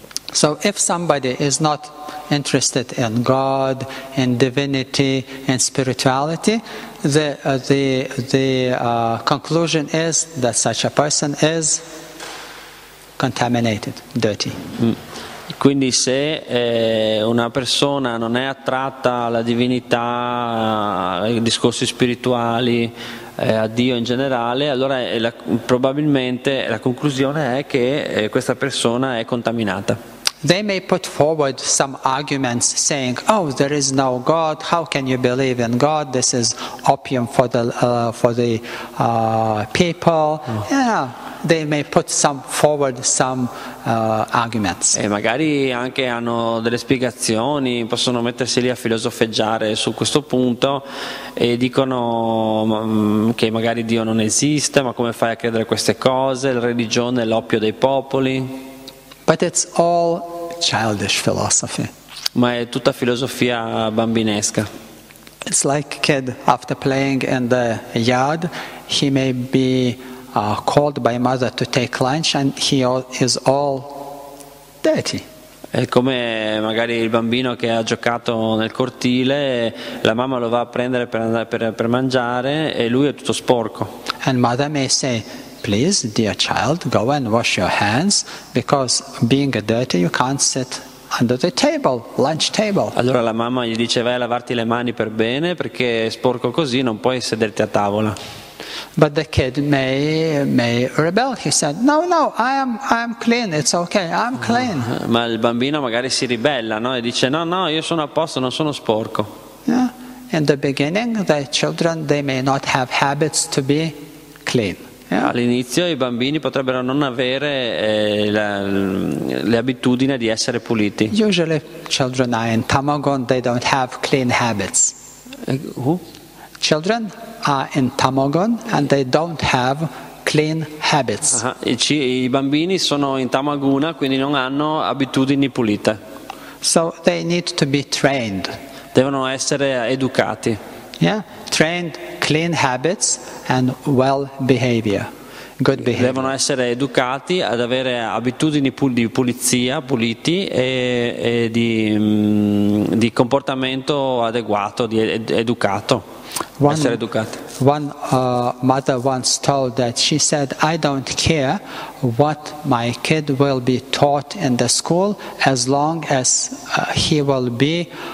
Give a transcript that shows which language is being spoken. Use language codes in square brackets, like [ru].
[en] So if somebody is not interested in God, in divinity, in spirituality, the conclusion is that such a person is contaminated, dirty. [it] Quindi se una persona non è attratta alla divinità, ai discorsi spirituali, a Dio in generale, allora probabilmente la conclusione è che questa persona è contaminata. [en] They may put forward some arguments saying, oh, there is no God, how can you believe in God? This is opium for the people. Oh. Yeah, they may put forward some arguments. [it] E magari anche hanno delle spiegazioni, possono mettersi lì a filosofeggiare su questo punto e dicono che magari Dio non esiste, ma come fai a credere queste cose? La religione è l'oppio dei popoli. [en] But it's all childish philosophy. [it] Ma è tutta filosofia bambinesca. [en] It's like a kid after playing in the yard, he may be called by mother to take lunch and he is all dirty. [it] È come magari il bambino che ha giocato nel cortile, la mamma lo va a prendere per mangiare e lui è tutto sporco. [en] And mother may say, please, dear child, go and wash your hands, because being dirty you can't sit under the table, lunch table. [it] Allora la mamma gli dice, vai a lavarti le mani per bene, perché sporco così non puoi sederti a tavola. [en] But the kid may rebel. He said, no, I am clean, it's okay, I'm clean. [it] Ma il bambino magari si ribella, no? E dice, no, io sono a posto, non sono sporco. [en] Yeah. In the beginning, the children, they may not have habits to be clean. Yeah. [it] All'inizio i bambini potrebbero non avere le abitudini di essere puliti. [en] Usually children are in tamagon, they don't have clean habits. Who? Children are in tamagon and they don't have clean habits. [it] I bambini sono in tamaguna, quindi non hanno abitudini pulite. [en] So they need to be trained. [it] Devono essere educati. [en] Yeah, trained clean habits and well behavior, good behavior. [it] Devono essere educati ad avere abitudini di pulizia, puliti e di comportamento adeguato, di educato. [en] One mother once told that she said, "I don't care what my kid will be taught in the school as long as he will be."